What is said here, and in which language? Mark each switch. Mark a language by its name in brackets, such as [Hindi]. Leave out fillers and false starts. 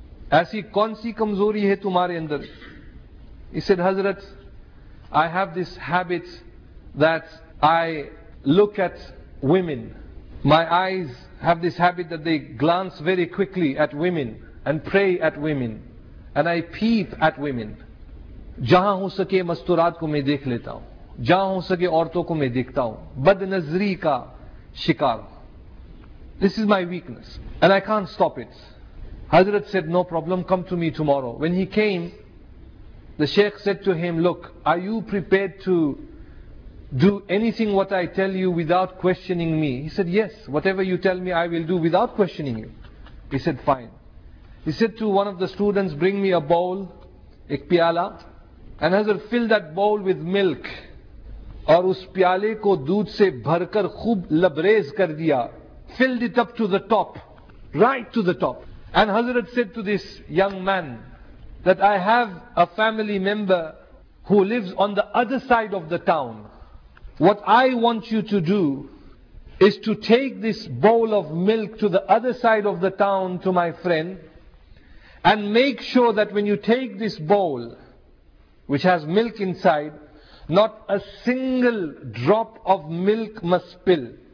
[Urdu] Aisi kaun si kamzori hai tumhare andar? [English] He said, Hazrat, I have this habit that I look at women. My eyes have this habit that they glance very quickly at women and pray at women. And I peep at women. [Urdu] Jahan ho sake masturat ko main dekh leta hoon. جہاں ہو سکے عورتوں کو میں دیکھتا ہوں بد نظری کا شکار ہوں. [English] This is my weakness and I can't stop it. Hazrat said, no problem, come to me tomorrow. When he came, the sheikh said to him, look, are you prepared to do anything what I tell you without questioning me? He said, yes, whatever you tell me I will do without questioning you. He said, fine. He said to one of the students, bring me a bowl, [Urdu] ایک پیالہ, [English] and Hazrat filled that bowl with milk. [Urdu] اور اس پیالے کو دودھ سے بھر کر خوب لبریز کر دیا. [English] Filled it up to the top. Right to the top. And Hazrat said to this young man, that I have a family member who lives on the other side of the town. What I want you to do is to take this bowl of milk to the other side of the town to my friend and make sure that when you take this bowl which has milk inside, not a single drop of milk must spill.